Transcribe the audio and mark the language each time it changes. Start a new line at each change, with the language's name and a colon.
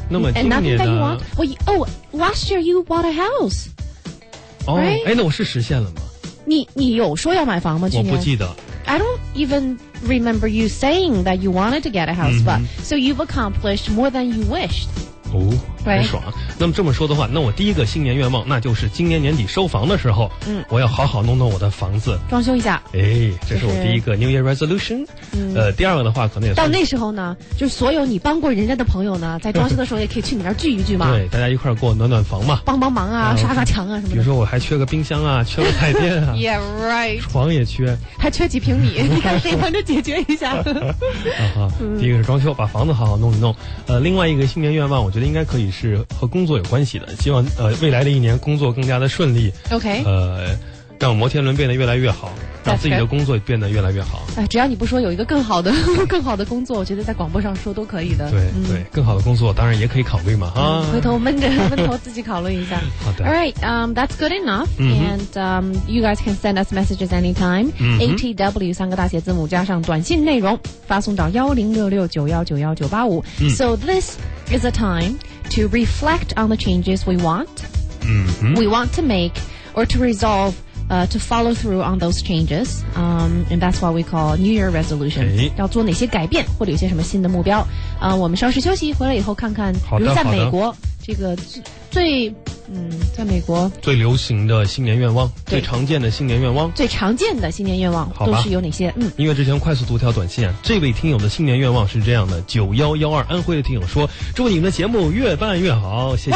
Chinese: 那么今年呢
English: last year you bought a house. 哦、 right?
Chinese: 哎，那我是实现了吗？你有说要买房吗？我不记得。
English: I don't even remember you saying that you wanted to get a house, but so you've accomplished more than you wished.
Chinese: Oh, 很爽。那么这么说的话，那我第一个新年愿望，那就是今年年底收房的时候，我要好好弄弄我的房子，装修一下。哎，这是我第一个 New Year Resolution。第二个的话，可能也到那时候呢，就是所有你帮过人家的朋友呢，在装修的时候也可以去你那儿聚一聚嘛。对，大家一块儿给我暖暖房嘛，帮帮忙啊，刷刷墙啊什么的。比如说我还缺个冰箱啊，缺个彩电啊。
English: Yeah, right。
Chinese: 床也缺，还缺几平米，你看谁帮着解决一下？第一个是装修，把房子好好弄一弄。另外一个新年愿望，我觉得应该可以是和工作有关系的，希望未来的一年工作更加的顺利。
English: OK，
Chinese: 让摩天轮变得越来越好，让自己的工作变得越来越好。只要你不说有一个更好的工作，我觉得在广播上说都可以的。对对，更好的工作当然也可以考虑嘛啊。回头闷头自己考虑一下。好的。
English: All right, that's good enough.、And you guys can send us messages anytime.
Chinese: ATW 三个大写字母加上短信内容发送到10669191985。
English: So this is a time to reflect on the changes we want. We want to make or to resolve. To follow through on those changes, and that's what we call New Year resolution.、 Okay.
Chinese: 要做哪些改变，或者有些什么新的目标？我们稍事休息，回来以后看看，比如在美国这个最。在美国最流行的新年愿望，最常见的新年愿望，最常见的新年愿望都是有哪些？音乐之前快速读条短信啊，这位听友的新年愿望是这样的：9112安徽的听友说，祝你们的节目越办越好，谢谢。